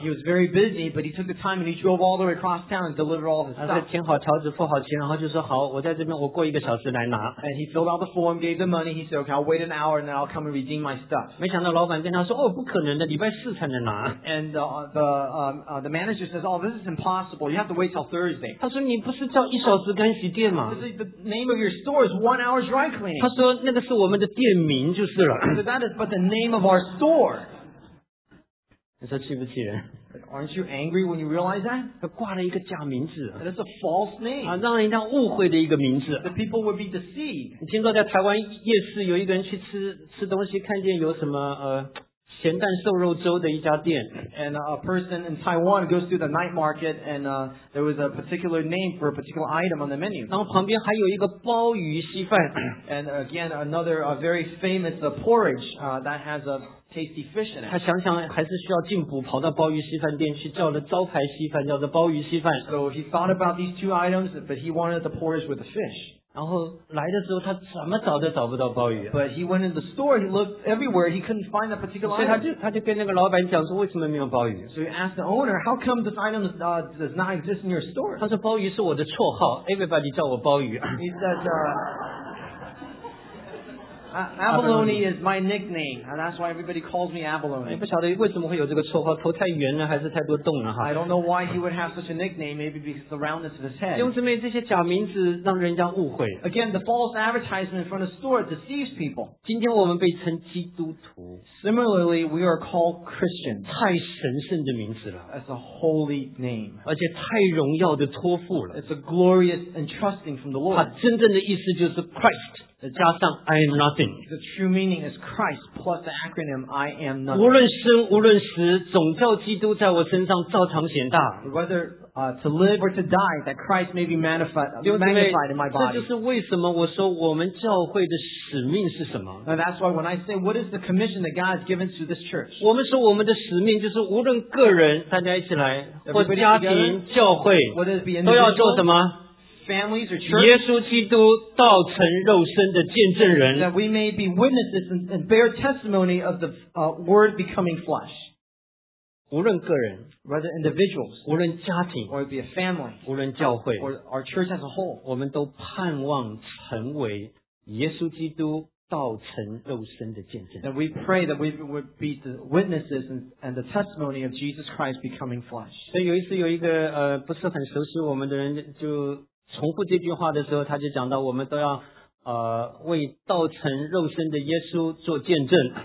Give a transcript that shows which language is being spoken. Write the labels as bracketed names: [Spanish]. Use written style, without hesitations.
[English] He was very busy, but he took the time and he drove all the way across town and delivered all of his stuff. [Chinese] 他填好条子，付好钱，然后就说好，我在这边，我过一个小时来拿。 [English] And he filled out the form, gave the money. He said, okay, I'll wait an hour and then I'll come and redeem my stuff. [Chinese] 没想到老板跟他说，哦，不可能的，礼拜四才能拿。 [English] And the manager says, oh, this is impossible. You have to wait till Thursday. [Chinese] 他说你不是叫一小时干洗店吗？ [English] The name of your store is 1 hour dry cleaning. [Chinese] 他说那个是我们的店名就是了。 [English] So that is, but the name of our store. [Chinese] 你说气不气人？ [English] Aren't you angry when you realize that? [Chinese] 他挂了一个假名字。 [English] And it's a false name. [Chinese] 让人家误会的一个名字。 [English] The people would be deceived. [Chinese] 你听说在台湾夜市有一个人去吃东西，看见有什么咸蛋瘦肉粥的一家店。 [English] And a person in Taiwan goes to the night market and there was a particular name for a particular item on the menu. [Chinese] 然后旁边还有一个鲍鱼稀饭。 [English] And again, another very famous porridge that has a tasty fish in it. [Chinese] 他想想还是需要进补，跑到鲍鱼稀饭店去叫了招牌稀饭，叫做鲍鱼稀饭。 [English] So he thought about these two items, but he wanted the porridge with the fish. [Chinese] 然后来的时候他怎么找都找不到鲍鱼、 [English] But he went in the store, he looked everywhere, he couldn't find a particular item. [Chinese] 所以他就跟那个老板讲说为什么没有鲍鱼。 [English] So he asked the owner, how come this item does not exist in your store? [Chinese] 他说鲍鱼是我的绰号 ,everybody 叫我鲍鱼。 [English] He said, Abalone is my nickname, and that's why everybody calls me Abalone. [Chinese] 不晓得为什么会有这个绰号，头太圆了，还是太多洞了哈。 [English] I don't know why he would have such a nickname, maybe because of the roundness of his head. [Chinese] 用什么这些假名字让人家误会。 [English] Again, the false advertisement from the store deceives people. [Chinese] 今天我们被称基督徒。 [English] Similarly, we are called Christians. [Chinese] 太神圣的名字了。 [English] It's a holy name. [Chinese] 而且太荣耀的托付了。 [English] It's a glorious entrusting from the Lord. [Chinese] 它真正的意思就是 Christ. 加上 [English] I am nothing. The true meaning is Christ plus the acronym I am nothing. [Chinese] 无论生无论死，总叫基督在我身上照常显大。 [English] Whether to live or to die, that Christ may be magnified in my body. [Chinese] 这就是为什么我说我们教会的使命是什么。 [English] Now that's why when I say what is the commission that God has given to this church? [Chinese] 我们说我们的使命就是无论个人，大家一起来，或家庭、教会，都要做什么？ [English] Families or church, [Chinese] 耶稣基督道成肉身的见证人 [English] that we may be witnesses and bear testimony of the word becoming flesh. [Chinese] 无论个人 [English] whether individuals, [Chinese] 无论家庭 [English] or be a family, [Chinese] 无论教会 [English] or our church as a whole, [Chinese] 我们都盼望成为耶稣基督道成肉身的见证 [English] that we pray that we would be the witnesses and the testimony of Jesus Christ becoming flesh. [Chinese] 所以有一次有一个不是很熟悉我们的人就重复这句话的时候，他就讲到我们都要为道成肉身的耶稣做见证。